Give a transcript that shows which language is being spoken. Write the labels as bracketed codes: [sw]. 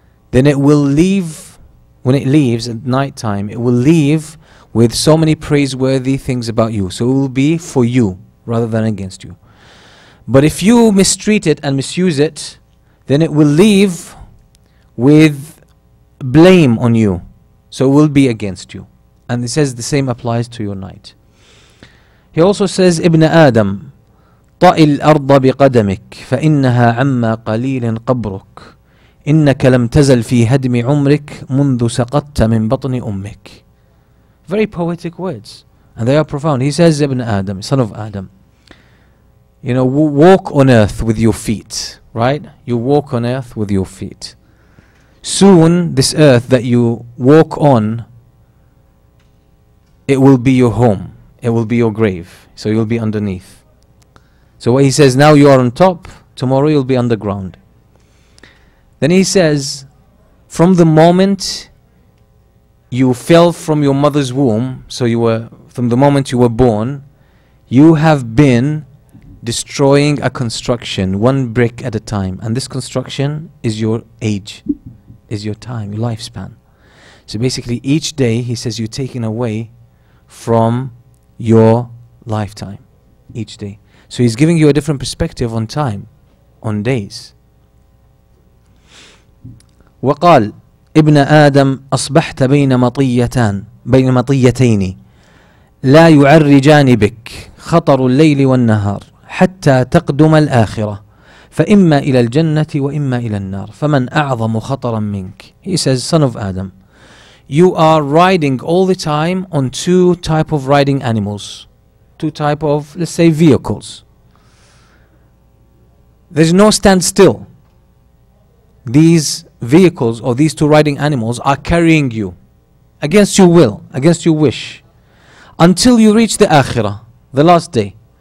[en] Then it will leave, when it leaves at night time, it will leave with so many praiseworthy things about you. So it will be for you rather than against you. But if you mistreat it and misuse it, then it will leave with blame on you. So it will be against you. And he says the same applies to your night. He also says, Ibn Adam, [ar] طَئِ الْأَرْضَ بِقَدَمِكَ فَإِنَّهَا عَمَّا قَلِيلٍ قَبْرُكَ إِنَّكَ لَمْ تَزَلْ فِي هَدْمِ عُمْرِكَ مُنْذُ سَقَطْتَ مِنْ بَطْنِ أُمِّكَ. [en] Very poetic words. And they are profound. He says, Ibn Adam, son of Adam, you know, walk on earth with your feet, right? You walk on earth with your feet. Soon, this earth that you walk on, it will be your home. It will be your grave. So you'll be underneath. So what he says, now you are on top, tomorrow you'll be underground. Then he says, from the moment you fell from your mother's womb, so you were, from the moment you were born, you have been destroying a construction, one brick at a time. And this construction is your age, is your time, your lifespan. So basically each day, he says, you're taken away from your lifetime, each day. So he's giving you a different perspective on time, on days. [ar] وقال ابن آدم أصبحت بين مطيتان بين مطيتين لا يعرجان بك خطر الليل والنهار حتى تقدم الآخرة فإما إلى الجنة وإما إلى النار فمن أعظم خطرا منك. [en] He says, son of Adam, you are riding all the time on two type of riding animals, two type of, let's say, vehicles. There's no standstill. These vehicles or these two riding animals are carrying you against your will, against your wish, until you reach the Akhirah, the last day.